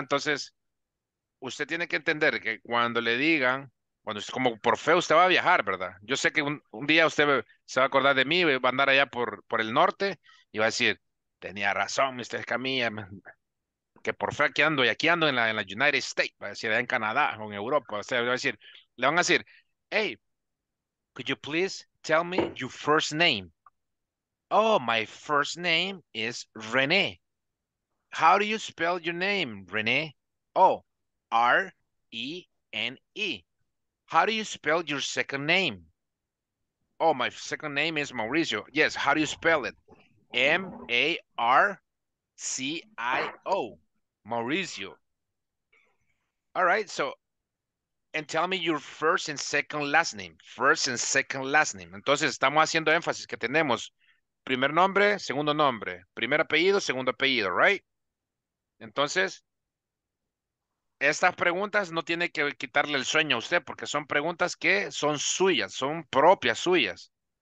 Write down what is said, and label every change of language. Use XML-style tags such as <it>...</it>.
<es>Entonces, usted tiene que entender que cuando le digan, cuando es como por fe usted va a viajar, ¿verdad? Yo sé que un día usted se va a acordar de mí, va a andar allá por el norte y va a decir, tenía razón, Mr. Escamilla, que por fe aquí ando, y aquí ando en la United States, va a decir, allá en Canadá o en Europa. O sea, le van a decir,</es> <en>hey, could you please tell me your first name? Oh, my first name is René. How do you spell your name, René? Oh, R-E-N-E. How do you spell your second name? Oh, my second name is Mauricio. Yes, how do you spell it? M-A-R-C-I-O. Mauricio. All right, so, and tell me your first and second last name. First and second last name.</en> <es>Entonces, estamos haciendo énfasis que tenemos primer nombre, segundo nombre. Segundo apellido, right? Entonces, estas preguntas no tiene que quitarle el sueño a usted porque son preguntas que son suyas, son propias suyas.</es>